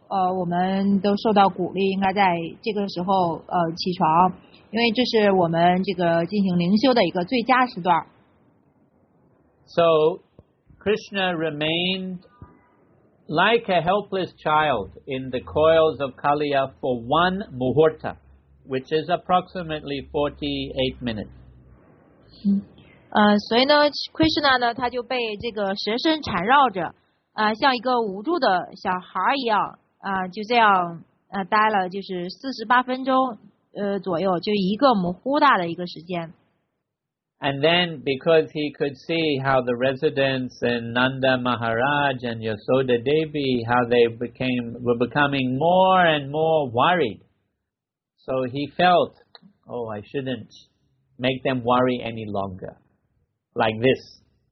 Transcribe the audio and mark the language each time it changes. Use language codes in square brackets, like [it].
[zh] 我们都受到鼓励，应该在这个时候起床，因为这是我们这个进行灵修的一个最佳时段。 [en] So, Krishna remained like a helpless child in the coils of Kaliya for one muhurta, which is approximately 48 minutes. [zh] 所以呢 ，Krishna 呢，他就被这个蛇身缠绕着，像一个无助的小孩一样。就这样待了就是48分钟左右，就一个模糊大的一个时间。 [en] And then because he could see how the residents and Nanda Maharaj and Yasoda Devi, how they were becoming more and more worried. So he felt, oh, I shouldn't make them worry any longer. Like this.